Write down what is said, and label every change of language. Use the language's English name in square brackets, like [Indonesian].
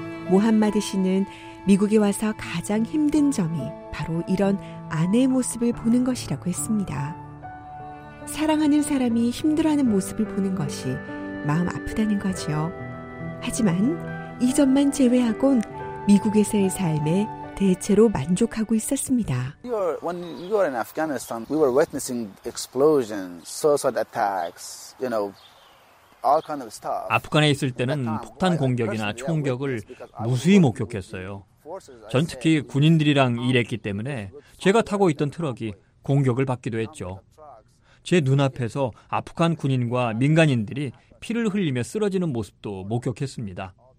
[Korean] 모함마드 씨는 미국에 와서 가장 힘든 점이 바로 이런 아내의 모습을 보는 것이라고 했습니다. 사랑하는 사람이 힘들어하는 모습을 보는 것이 마음 아프다는 거지요. 하지만 이 점만 제외하곤 미국에서의 삶에 대체로 만족하고 있었습니다. [English] When we were in Afghanistan, we were witnessing explosions, suicide attacks, you know. [Korean] 아프간에 있을 때는 폭탄 공격이나 총격을 무수히 목격했어요. 전 특히 군인들이랑 일했기 때문에 제가 타고 있던 트럭이 공격을 받기도 했죠. 제 눈앞에서 아프간 군인과 민간인들이 피를 흘리며 쓰러지는 모습도 목격했습니다.